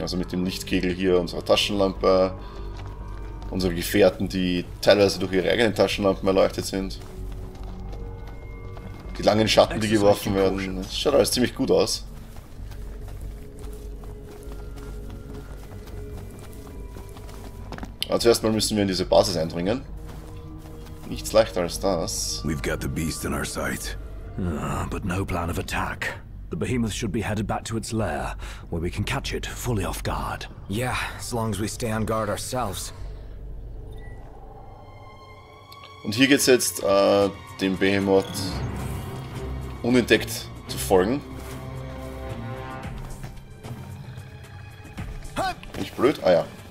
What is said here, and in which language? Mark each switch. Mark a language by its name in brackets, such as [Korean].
[German] Also mit dem Lichtkegel hier, unserer Taschenlampe, unsere Gefährten, die teilweise durch ihre eigenen Taschenlampen erleuchtet sind. Die langen Schatten, die geworfen werden. Das schaut alles ziemlich gut aus. Aber zuerst mal müssen wir in diese Basis eindringen. Nichts leichter als das. [English] We've got the beast in our sight. But no plan of attack. The behemoth should be headed back to its lair, where we can catch it fully off guard. Yeah, as long as we stay on guard ourselves. [German] Und hier geht's jetzt dem Behemoth unentdeckt zu folgen. Bin ich blöd? Ah ja.